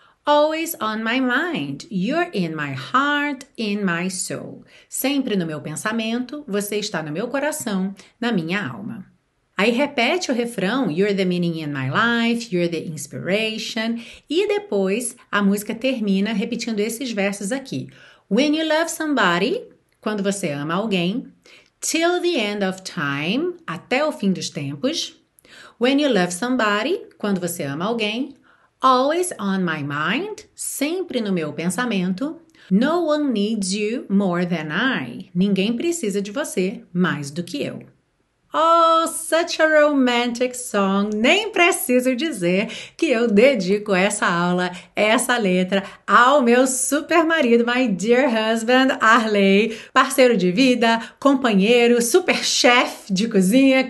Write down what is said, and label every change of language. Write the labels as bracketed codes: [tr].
[en] Always on my mind, you're in my heart, in my soul. [pt] Sempre no meu pensamento, você está no meu coração, na minha alma. Aí repete o refrão, [en] you're the meaning in my life, you're the inspiration. [pt] E depois a música termina repetindo esses versos aqui. [en] When you love somebody, [pt] quando você ama alguém. [en] Till the end of time, [pt] até o fim dos tempos. [en] When you love somebody, [pt] quando você ama alguém. [en] Always on my mind, [pt] sempre no meu pensamento. [en] No one needs you more than I. [pt] Ninguém precisa de você mais do que eu. [en] Oh, such a romantic song. [pt] Nem preciso dizer que eu dedico essa aula, essa letra, ao meu super marido, [en] my dear husband, [pt] Arley, parceiro de vida, companheiro, super chef de cozinha.